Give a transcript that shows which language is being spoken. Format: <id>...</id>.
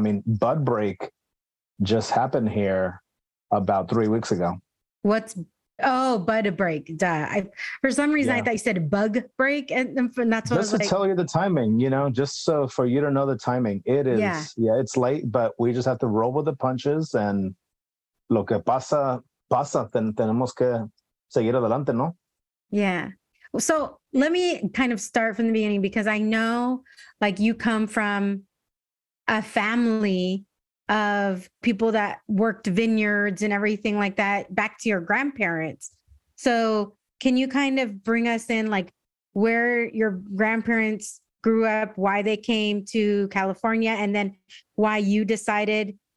<en>I mean, bud break just happened here about 3 weeks ago. Bud break. Duh. For some reason, I thought you said bug break. Tell you the timing, you know, just so for you to know the timing. It is, yeah, it's late, but we just have to roll with the punches.</en> <es>And lo que pasa, pasa, tenemos que seguir adelante, ¿no?</es> <en>Yeah. So let me kind of start from the beginning, because I know, like, you come from a family of people that worked vineyards and everything like that back to your grandparents. So can you kind of bring us in, like, where your grandparents grew up, why they came to California, and then why you decided</en>